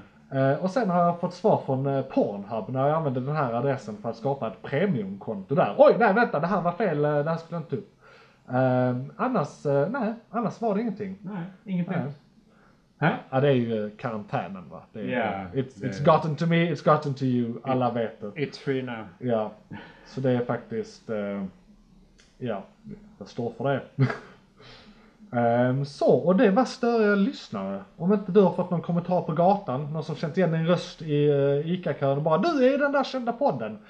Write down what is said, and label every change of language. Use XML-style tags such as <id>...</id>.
<sv>Ja. Och sen har jag fått svar från Pornhub när jag använde den här adressen för att skapa ett premiumkonto där. Oj, nej, vänta, det här var fel. Det här skulle jag inte upp. Annars var det ingenting. Nej, ingenting. Ja, det är ju karantänen va? Det är,</sv> <en>yeah, it's gotten to me, it's gotten to you,</en> <sv>alla vet det.</sv> <en>It's free now.</en> <sv>Ja, så det är faktiskt, ja, jag står för det. Så, och det var större lyssnare. Om inte du har fått någon kommentar på gatan, någon som känt igen din röst i ICA-kören och bara, du är den där kända podden.</sv>